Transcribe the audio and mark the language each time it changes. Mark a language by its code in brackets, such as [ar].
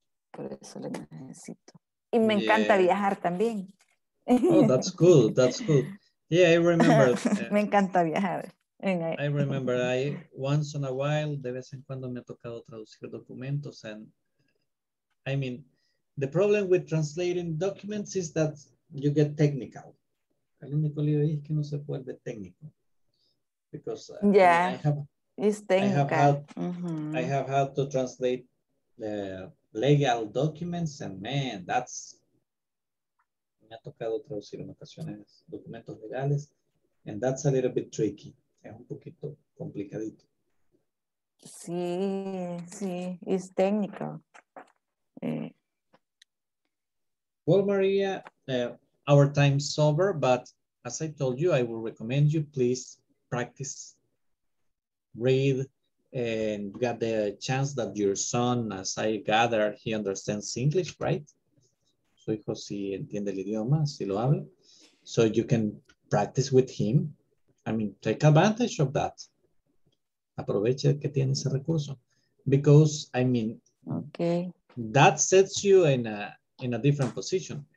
[es] Por eso le necesito. Y me encanta viajar también. [en] Oh, that's cool. Yeah, I remember. [es] Me encanta viajar. [en] I remember I once in a while, [es] de vez en cuando me ha tocado traducir documentos. [en] And I mean, the problem with translating documents is that you get technical. [es] El único lío es que no se vuelve técnico. [en] Because I have had to translate the legal documents, and man, that's [es] me ha tocado traducir en ocasiones documentos legales, [en] and that's a little bit tricky. [es] Es un poquito complicadito. Sí, sí, es técnico. [en] Well, Maria, our time's over, but as I told you, I will recommend you please practice. Read, and you got the chance that your son, as I gather, he understands English, right? [es] Su hijo sí entiende el idioma, sí lo habla. [en] So you can practice with him. I mean, take advantage of that. [es] Aproveche que tiene ese recurso. [en] Because, I mean, okay. That sets you in a different position.